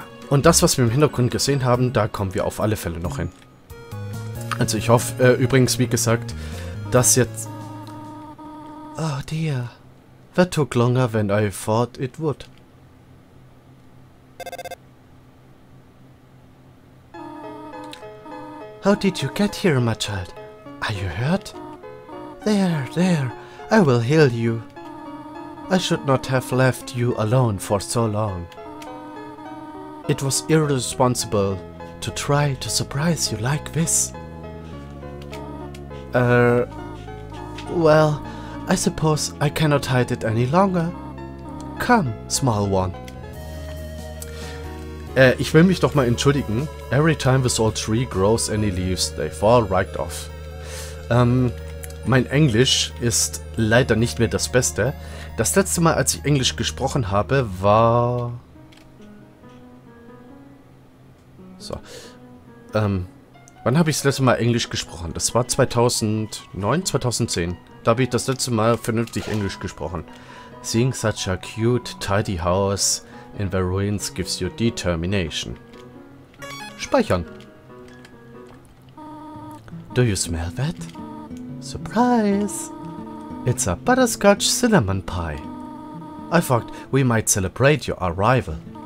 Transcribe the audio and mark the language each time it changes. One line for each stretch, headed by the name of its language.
German: Und das, was wir im Hintergrund gesehen haben, da kommen wir auf alle Fälle noch hin. Also ich hoffe übrigens, wie gesagt, dass jetzt...
English: Oh dear. That took longer than I thought it would. How did you get here, my child? Are you hurt? There, there. I will heal you. I should not have left you alone for so long. It was irresponsible to try to surprise you like this. Well, I suppose I cannot hide it any longer. Come, small one.
German: Ich will mich doch mal entschuldigen.
English: Every time this old tree grows any leaves, they fall right off.
German: Mein Englisch ist leider nicht mehr das Beste. Das letzte Mal, als ich Englisch gesprochen habe, war... So. Wann habe ich das letzte Mal Englisch gesprochen? Das war 2009, 2010. Da habe ich das letzte Mal vernünftig Englisch gesprochen.
English: Seeing such a cute, tidy house in the ruins gives you determination.
German: Speichern.
English: Do you smell that? Surprise! It's a butterscotch cinnamon pie. I thought we might celebrate your arrival.